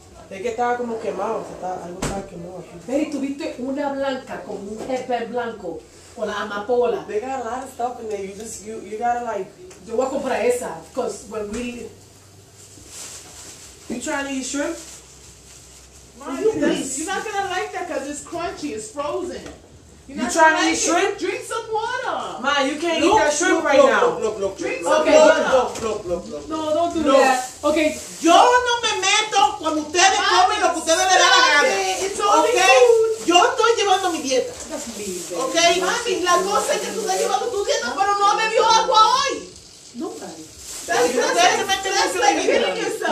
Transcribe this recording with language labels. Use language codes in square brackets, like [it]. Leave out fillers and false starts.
[es] Es que estaba como quemado, o sea, algo estaba quemado aquí. Pero tú viste una blanca con un jefe blanco, con la amapola. [en] They got a lot of stuff in there, you gotta like... [es] Yo voy a comprar esa, [en] because when we... You trying to eat shrimp? Mommy, you're not gonna like that because it's crunchy, it's frozen. You trying to eat shrimp? Drink some water. Ma, you can't eat that shrimp right now. Look. Drink some water. No, don't do that. Okay. [es] Yo no me meto cuando ustedes comen lo que ustedes le dan la gana. [en] It's only food. [es] Yo estoy llevando mi dieta. [en] That's me. Okay. [es] Mami, la cosa es que tú estás llevando tu dieta, pero no bebió agua hoy. [en] No, daddy. That's like killing yourself.